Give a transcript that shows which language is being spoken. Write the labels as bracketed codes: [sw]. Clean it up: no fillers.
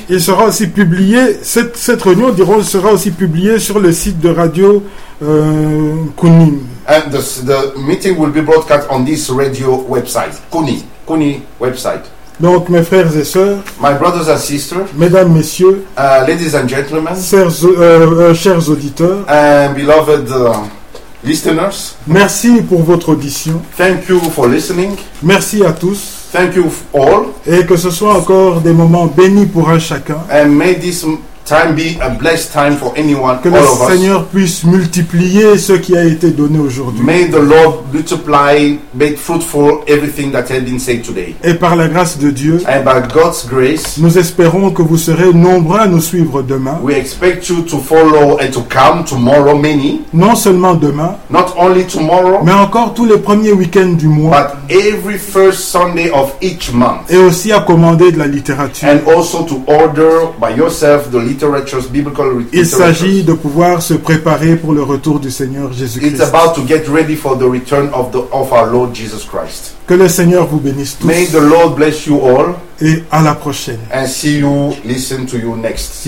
[fr] Il sera aussi publié cette réunion sera aussi publiée sur le site de radio Kunim. [en] And the meeting will be broadcast on this radio website. Kuni website. [fr] Donc, mes frères et sœurs, [en] my brothers and sisters, [fr] mesdames, messieurs, [en] ladies and gentlemen, [fr] chers auditeurs, [en] beloved listeners, [fr] merci pour votre audition. [en] Thank you for listening. [fr] Merci à tous. [en] Thank you all. [fr] Et que ce soit encore des moments bénis pour un chacun. [en] And may this time be a blessed time for anyone. [fr] Que [en] all [fr] le [en] of [fr] Seigneur [en] us. [fr] Puisse multiplier ce qui a été donné aujourd'hui. [en] May the Lord multiply, make fruitful everything that has been said today. [fr] Et par la grâce de Dieu. [en] And by God's grace. [fr] Nous espérons que vous serez nombreux à nous suivre demain. [en] We expect you to follow and to come tomorrow many. [fr] Non seulement demain. [en] Not only tomorrow. [fr] Mais encore tous les premiers week-ends du mois. [en] But every first Sunday of each month. [fr] Et aussi à commander de la littérature. [en] And also to order by yourself the literatures, biblical literatures. [fr] Il s'agit de pouvoir se préparer pour le retour du Seigneur Jésus-Christ. [en] It's about to get ready for the return of our Lord Jesus Christ. [fr] Que le Seigneur vous bénisse tous. [en] May the Lord bless you all. [fr] Et à la prochaine. [en] And see you, listen to you next. See